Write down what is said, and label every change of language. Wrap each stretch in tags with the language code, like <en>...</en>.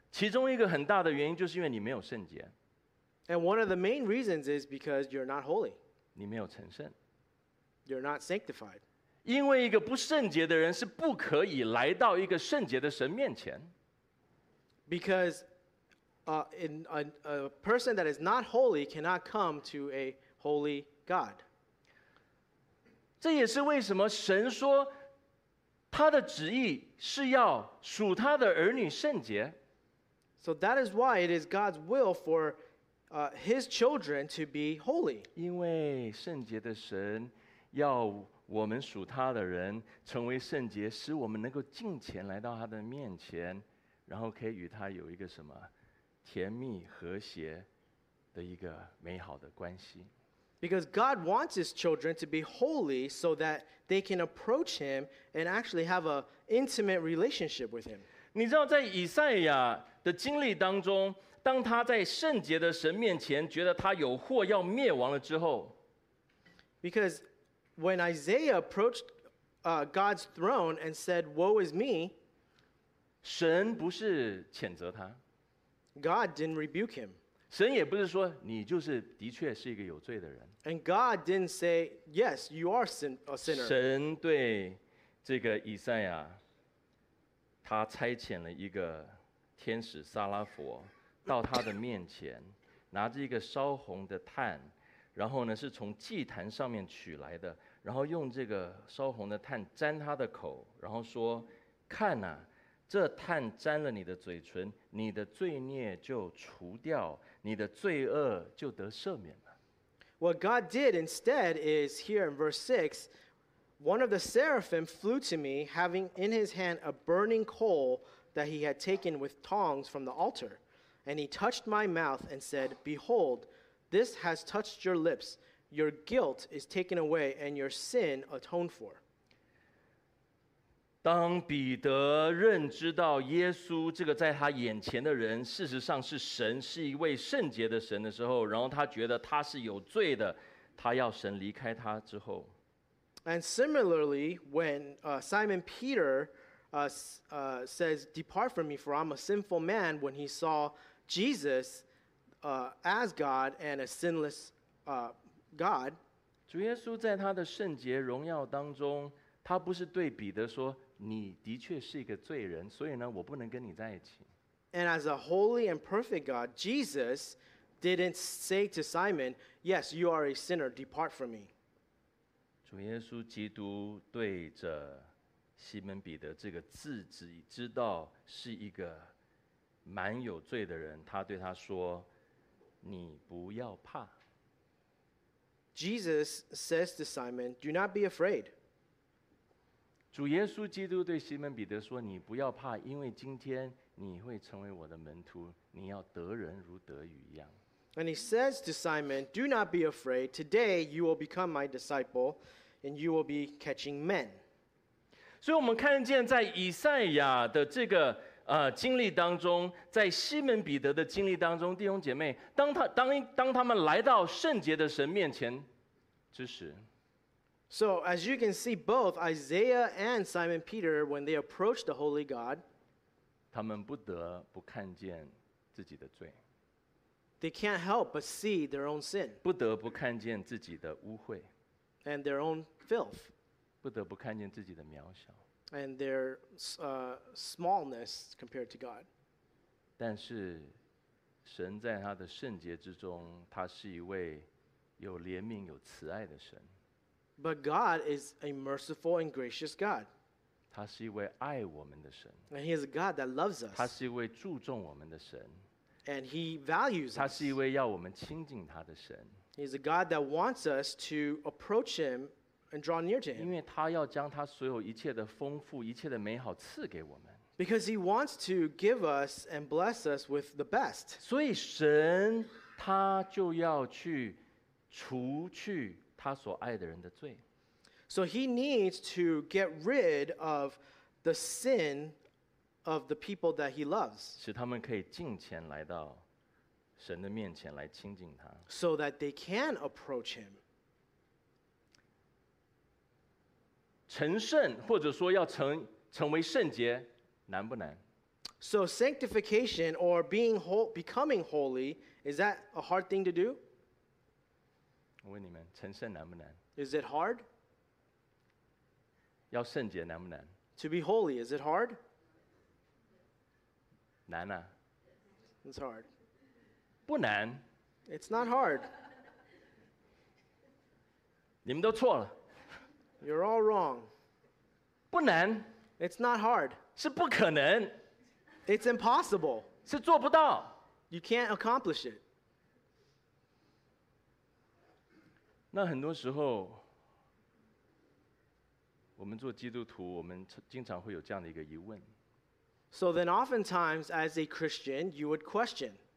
<zh>其中一个很大的原因就是因为你没有圣洁。</zh> <en>And one of the main reasons is because you're not holy.</en> <zh>你没有成圣。</zh> <en>You're not sanctified.</en> <zh>因为一个不圣洁的人是不可以来到一个圣洁的神面前。</zh> <en>Because a person that is not holy cannot come to a holy God.</en> <zh>这也是为什么神说他的旨意是要属他的儿女圣洁。</zh> <en>So that is why it is God's will for his children to be holy.</en> <zh>因为圣洁的神要我们属他的人成为圣洁，使我们能够进前来到他的面前，然后可以与他有一个什么甜蜜和谐的一个美好的关系。</zh> <en>Because God wants his children to be holy so that they can approach him and actually have an intimate relationship with him.</en> <zh>你知道在以赛亚的经历当中，当他在圣洁的神面前觉得他有祸要灭亡了之后，</zh> <en>Because When Isaiah approached God's throne and said, Woe is me,</en> <zh>神不是谴责他，</zh> <en>God didn't rebuke him.</en> <zh>神也不是说你就是的确是一个有罪的人。</zh> <en>And God didn't say, yes, you are a sinner.</en> <zh>神对这个以赛亚，他差遣了一个天使撒拉佛到他的面前，拿着一个烧红的炭，然后呢是从祭坛上面取来的，然后用这个烧红的炭沾他的口，然后说：“看啊，这炭沾了你的嘴唇，你的罪孽就除掉，你的罪恶就得赦免了。”</zh> <en>What God did instead is here in verse 6, one of the seraphim flew to me, having in his hand a burning coal that he had taken with tongs from the altar. And he touched my mouth and said, Behold, this has touched your lips. Your guilt is taken away and your sin atoned for.</en> <zh>当彼得认知到耶稣这个在他眼前的人事实上是神，是一位圣洁的神的时候，然后他觉得他是有罪的，他要神离开他之后。</zh> <en>And similarly, when Simon Peter says, Depart from me, for I'm a sinful man, when he saw Jesus as God and a sinless God.</en> <zh>主耶稣在他的圣洁荣耀当中，他不是对彼得说，你的确是一个罪人，所以呢，我不能跟你在一起。</zh> <en>And as a holy and perfect God, Jesus didn't say to Simon, Yes, you are a sinner, depart from me.</en> <zh>主耶稣基督对着西门彼得这个自己知道是一个蛮有罪的人，他对他说：“你不要怕。”</zh> <en>Jesus says to Simon, "Do not be afraid."</en> <zh>主耶稣基督对西门彼得说：“你不要怕，因为今天你会成为我的门徒，你要得人如得鱼一样。”</zh> <en>And he says to Simon, "Do not be afraid. Today you will become my disciple, and you will be catching men."</en> <zh>所以我们看见在以赛亚的这个经历当中，在西门彼得的经历当中，弟兄姐妹，当他们来到圣洁的神面前之时</zh> <en>，So as you can see, both Isaiah and Simon Peter, when they approach the Holy God,</en> <zh>他们不得不看见自己的罪</zh> <en>，They can't help but see their own sin,</en> <zh>不得不看见自己的污秽</zh> <en>，and their own filth,</en> <zh>不得不看见自己的渺小。</zh> <en>And their smallness compared to God.</en> <zh>但是神在他的圣洁之中，他是一位有怜悯有慈爱的神。</zh> <en>But God is a merciful and gracious God.</en> <zh>他是一位爱我们的神。</zh> <en>And he is a God that loves us.</en> <zh>他是一位注重我们的神。</zh> <en>And he values us.</en> <zh>他是一位要我们亲近他的神。</zh> <en>He is a God that wants us to approach him and draw near to him.</en> <zh>因为他要将他所有一切的丰富一切的美好赐给我们。</zh> <en>Because he wants to give us and bless us with the best.</en> <zh>所以神他就要去除去他所爱的人的罪。</zh> <en>So he needs to get rid of the sin of the people that he loves.</en> <zh>使他们可以近前来到神的面前来亲近他。</zh> <en>So that they can approach him.</en> <zh>成圣或者说要 成为圣洁难不难</zh> <en>So sanctification or being whole, becoming holy, is that a hard thing to do?</en> <zh>我问你们成圣难不难</zh> <en>Is it hard?</en> <zh>要圣洁难不难</zh> <en>To be holy, is it hard?</en> <zh>难啊</zh> <en>It's hard</en> <zh>不难</zh> <en>It's not hard</en> <zh>你们都错了</zh> <en>You're all wrong.</en> <zh>不难</zh> <en>It's not hard.</en> <zh>是不可能</zh> <en>It's impossible.</en> <zh>是做不到</zh> <en>You can't accomplish it.</en> <zh>那很多时候我们做基督徒我们经常会有这样的一个疑问</zh> <en>So then oftentimes as a Christian you would question</en>